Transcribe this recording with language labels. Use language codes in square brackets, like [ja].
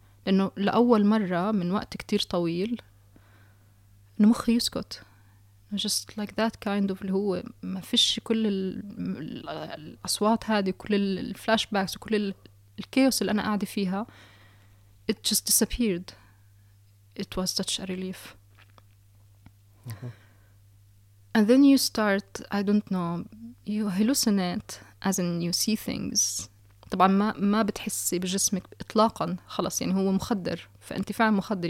[ar] لأنه لأول مرة من وقت كتير طويل إنه مخي يسكت, [en] just like that kind of [ar] اللي هو ما فيش كل الأصوات هذه كل الفلاش باكس وكل الكيوس اللي أنا قاعدة فيها, [en] it just disappeared. It was such a relief. And then you start, I don't know, you hallucinate as in you see things. [ar] طبعا ما بتحسي بجسمك اطلاقا خلص, يعني هو مخدر فانت فعلا مخدر.